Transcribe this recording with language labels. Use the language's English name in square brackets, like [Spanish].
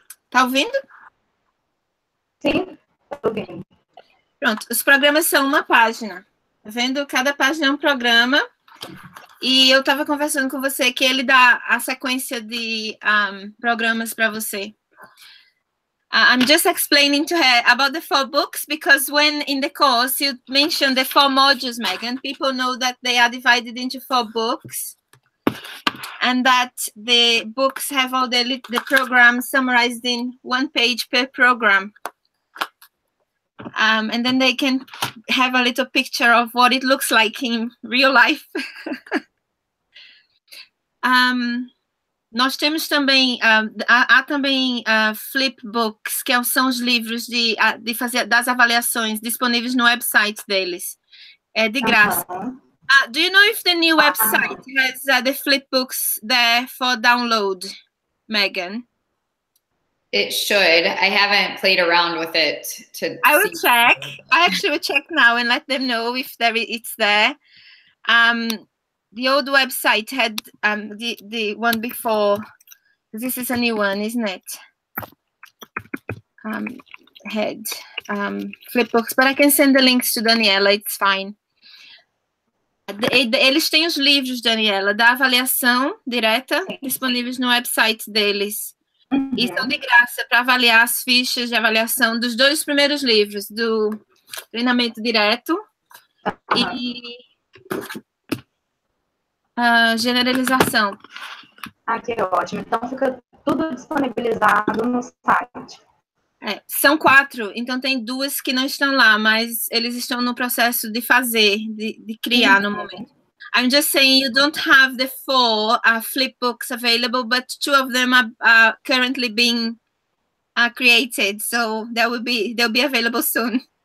[Portuguese] Tá ouvindo? Sim, tudo bem. Pronto, os programas são uma página. Tá vendo? Cada página é um programa. E eu estava conversando com você que ele dá a sequência de programas para você. [English] I'm just explaining to her about the four books because when in the course you mentioned the four modules, Megan, people know that they are divided into four books. And that the books have all the programs summarized in 1 page per program. And then they can have a little picture of what it looks like in real life. [Portuguese] Nós temos também, há também flipbooks, que são os livros de fazer das avaliações disponíveis no website deles. É de graça. [English] Do you know if the new website has the flipbooks there for download, Megan? It should. I haven't played around with it to I will see. check. I actually will check now and let them know if it's there. The old website had the one before. This is a new one, isn't it? Had flipbooks, but I can send the links to Daniela. It's fine. [Portuguese] Eles têm os livros, Daniela, da avaliação direta disponíveis no website deles. E são de graça para avaliar as fichas de avaliação dos dois primeiros livros, do treinamento direto e a generalização. Aqui, ótimo. Então fica tudo disponibilizado no site. É, são quatro, então tem duas que não estão lá, mas eles estão no processo de fazer, de criar no momento. [English] I'm just saying you don't have the four flip books available, but two of them are currently being created, so they'll be available soon.